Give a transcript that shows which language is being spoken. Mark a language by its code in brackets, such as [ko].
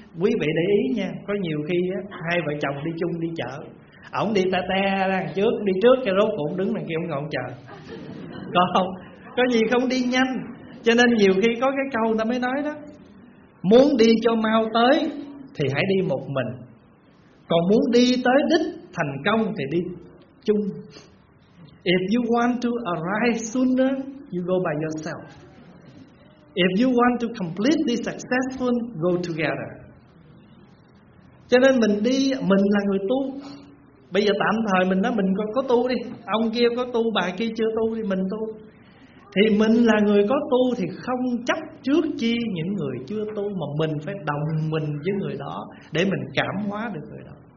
[vi] Quý vị để ý nha, có nhiều khi á, hai vợ chồng đi chung đi chợ, ổng đi ta te đằng trước, đi trước cho rốt cũng đứng đằng kia ổng ngồi chờ. Còn không, có gì không đi nhanh. Cho nên nhiều khi có cái câu ta mới nói đó: muốn đi cho mau tới thì hãy đi một mình, còn muốn đi tới đích thành công thì đi chung. [en] If you want to arrive sooner, you go by yourself. If you want to completely successful, go together. [vi] Cho nên mình đi, mình là người tu. Bây giờ tạm thời mình nói mình có tu đi, ông kia có tu, bà kia chưa tu thì mình tu. Thì mình là người có tu thì không chấp trước chi những người chưa tu, mà mình phải đồng mình với người đó để mình cảm hóa được người đó.